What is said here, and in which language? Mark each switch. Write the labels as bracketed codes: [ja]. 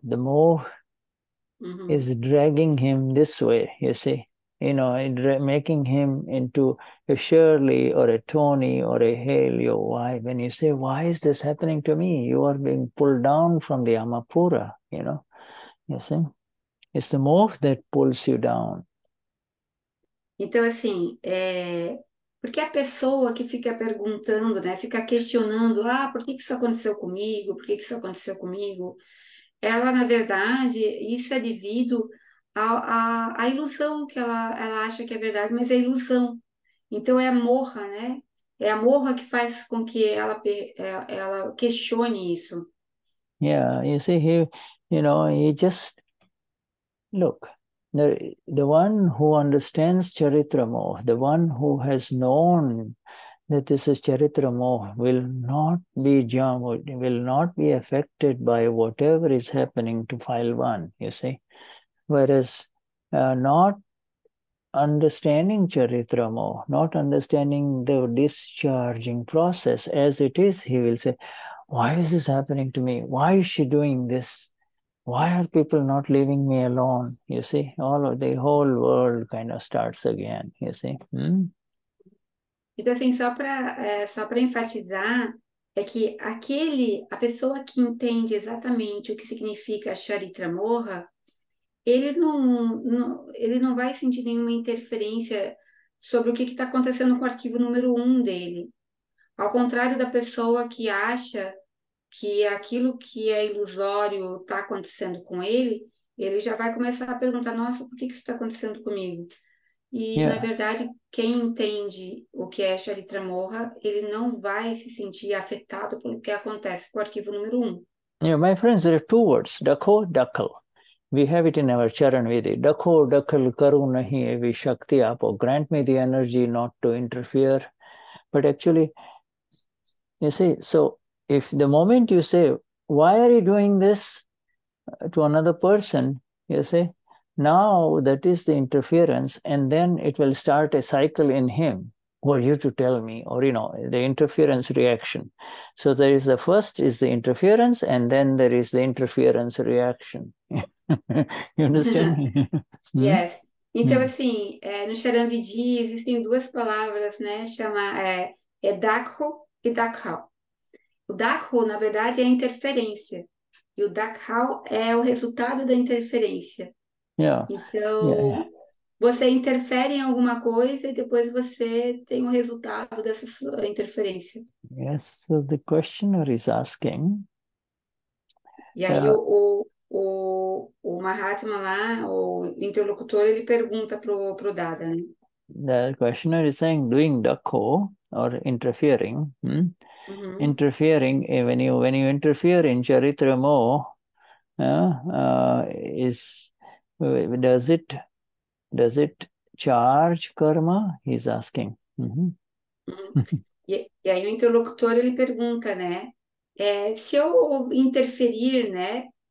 [en] The Moha is dragging him this way, you see. You know, making him into a Shirley or a Tony or a Hale, your wife. When you say, why is this happening to me? You are being pulled down from the Amapura, you know. You see? It's the Moha that pulls you down. [pt] Então, assim, porque a pessoa que fica perguntando, né, fica questionando, ah, por que isso aconteceu comigo? Por que isso aconteceu comigo? Ela, na verdade, isso é devido a ilusão que ela acha que é verdade, mas é ilusão. Então, é a Moha, né? É a Moha que faz com que ela questione isso. [en] Yeah, you see, he, you know, he just, look, the one who understands Charitra Moha, the one who has known that this is Charitra Moha, will not be affected by whatever is happening to file one, you see. Whereas not understanding Charitra Moha, not understanding the discharging process as it is, he will say, why is this happening to me? Why is she doing this? Why are people not leaving me alone? You see, all of the whole world kind of starts again, you see. [pt] Então, assim, só para enfatizar, é que a pessoa que entende exatamente o que significa Charitra Moha, ele não vai sentir nenhuma interferência sobre o que está acontecendo com o arquivo número 1 dele. Ao contrário da pessoa que acha que aquilo que é ilusório está acontecendo com ele, ele já vai começar a perguntar, nossa, por que isso está acontecendo comigo? E, [en] yeah, [pt] na verdade, quem entende o que é Charitra Moha, ele não vai se sentir afetado pelo que acontece com o arquivo número 1. [en] Yeah, my friends, there are two words, dako, dakal. We have it in our Charan Vidhi. [gu] Dakho dakhal karu nahi evi shakti apo. [en] Grant me the energy not to interfere. But actually, you see, so if the moment you say, why are you doing this to another person, you see, now that is the interference, and then it will start a cycle in him. Were you to tell me, or you know, the interference reaction. So there is the first is the interference, and then there is the interference reaction. You understand? Yes. [pt] Então, assim, no Charan Vidhi existem duas palavras, né? Chama dakho e dakhao. O dakho, na verdade, é a interferência. E o dakhao é o resultado da interferência. [en] Yeah. [pt] Então, você interfere em alguma coisa e depois você tem o resultado dessa sua interferência. [en] Yes, so the questioner is asking. [pt] E aí o Mahatma lá, o interlocutor, ele pergunta pro Dada, né? [en] The questioner is saying, doing dakho, or interfering. Hmm? Mm-hmm. Interfering, when you interfere in Charitra Moha, does it charge karma? He's asking. [pt] Mm-hmm. E aí o interlocutor, ele pergunta, né? Se eu interferir, né?